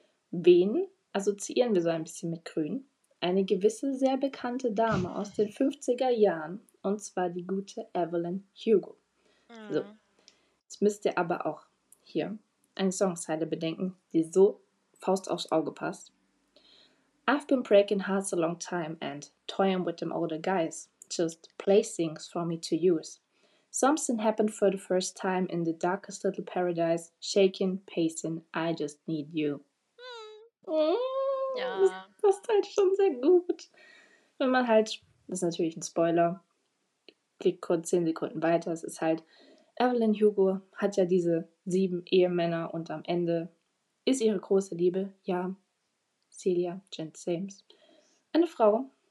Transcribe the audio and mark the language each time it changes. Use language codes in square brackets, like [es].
[de] Wen assoziieren wir so ein bisschen mit Grün? Eine gewisse, sehr bekannte Dame aus den 50er Jahren, und zwar die gute Evelyn Hugo. Mhm. So, jetzt müsst ihr aber auch hier eine Songzeile bedenken, die so Faust aufs Auge passt. [en] I've been breaking hearts a long time and toying with them older guys, just playthings for me to use. Something happened for the first time in the darkest little paradise, shaking, pacing, I just need you. [de] Ja. Das passt halt schon sehr gut. Wenn man halt, das ist natürlich ein Spoiler, klickt kurz 10 Sekunden weiter, es ist halt, Evelyn Hugo hat ja diese 7 Ehemänner und am Ende ist ihre große Liebe, ja, Celia Jean Sames, eine Frau.